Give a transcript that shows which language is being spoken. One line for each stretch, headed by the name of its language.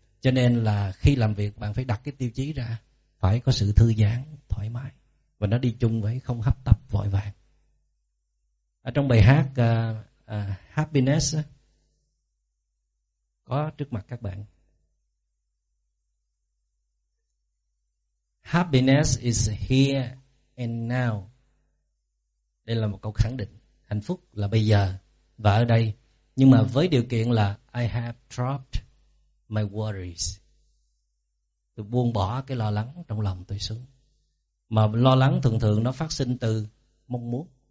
Vietnamese: Cho nên là khi làm việc bạn phải đặt cái tiêu chí ra, phải có sự thư giãn, thoải mái. Và nó đi chung với không hấp tấp, vội vàng. Ở trong bài hát Happiness có trước mặt các bạn.
English: Happiness is here and now.
Vietnamese: Đây là một câu khẳng định. Hạnh phúc là bây giờ và ở đây, nhưng mà với điều kiện là
English: I have dropped my worries.
Vietnamese: Tôi buông bỏ cái lo lắng trong lòng tôi xuống. Mà lo lắng thường thường nó phát sinh từ mong muốn.